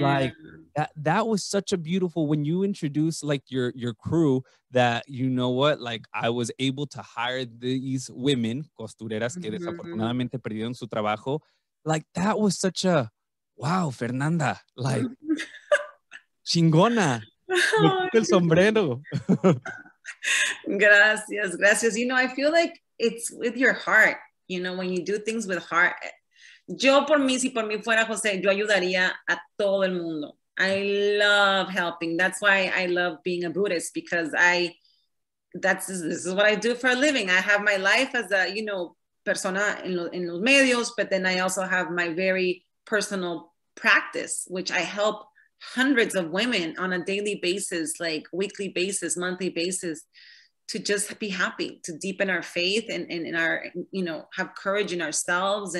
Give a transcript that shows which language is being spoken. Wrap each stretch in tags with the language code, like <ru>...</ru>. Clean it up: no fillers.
<en>Like, that was such a beautiful, when you introduce, like, your crew, that, you know what, like, I was able to hire these women, costureras que desafortunadamente perdieron su trabajo. Like, that was such a, wow, Fernanda, like,</en> <es>chingona, me quito el sombrero. Gracias, gracias.</es> <en>You know, I feel like it's with your heart, you know, when you do things with heart.</en> <es>Yo por mí, si por mí fuera, José, yo ayudaría a todo el mundo.</es> <en>I love helping. That's why I love being a Buddhist, because this is what I do for a living. I have my life as a, you know,</en> <es>persona en los medios,</es> <en>but then I also have my very personal practice, which I help hundreds of women on a daily basis, like weekly basis, monthly basis, to just be happy, to deepen our faith and in our, you know, have courage in ourselves.</en>